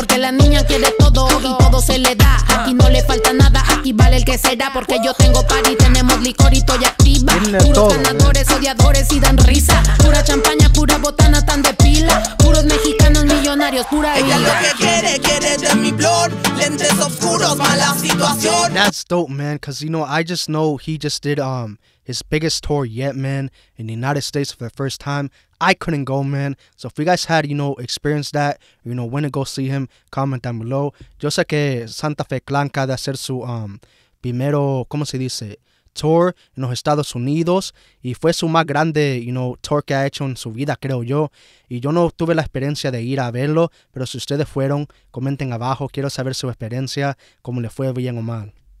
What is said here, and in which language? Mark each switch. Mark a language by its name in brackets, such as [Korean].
[Spanish] Porque la niña quiere todo y todo se le da. Aquí no le falta nada, aquí vale el que será. Porque yo tengo party, tenemos licor y toya activa. Puros ganadores, odiadores y dan risa. Pura champaña, pura botana, tan de pila. Puros mexicanos, millonarios, pura vida. Ella lo que quiere, quiere de mi blor. Lentes oscuros, mala situación. [English] That's dope, man, cause you know, I just know he just did his biggest tour yet, man, in the United States for the first time. I couldn't go, man. So if you guys had, you know, experienced that, you know, when to go see him, comment down below. [Spanish] Yo sé que Santa Fe Klan acaba de hacer su primero, ¿cómo se dice? Tour en los Estados Unidos. Y fue su más grande, [English] you know, [Spanish] tour que ha hecho en su vida, creo yo. Y yo no tuve la experiencia de ir a verlo. Pero si ustedes fueron, comenten abajo. Quiero saber su experiencia, cómo le fue, bien o mal.